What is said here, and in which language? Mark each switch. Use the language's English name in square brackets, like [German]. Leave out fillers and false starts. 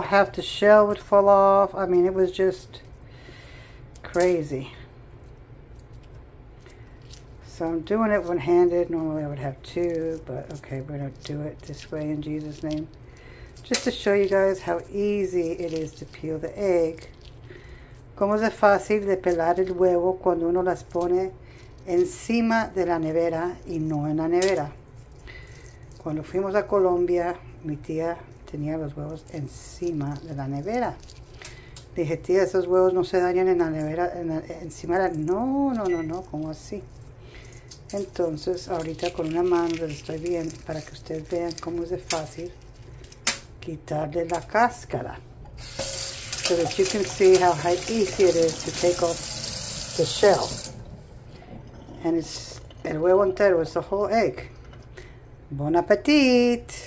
[English] Half the shell would fall off. I mean, it was just crazy. So I'm doing it one-handed. Normally I would have two, but okay, we're gonna do it this way in Jesus' name. Just to show you guys how easy it is to peel the egg. [Spanish] ¿Cómo es fácil de pelar el huevo cuando uno las pone encima de la nevera y no en la nevera? Cuando fuimos a Colombia, mi tía tenía los huevos encima de la nevera. Dije, tía, esos huevos no se dañan en la nevera, encima de la... No, ¿cómo así? Entonces, ahorita con una mano les estoy viendo para que ustedes vean cómo es de fácil quitarle la cáscara. [English] So that you can see how easy it is to take off the shell. And it's [Spanish] el huevo entero, [English] it's the whole egg. Bon appetit!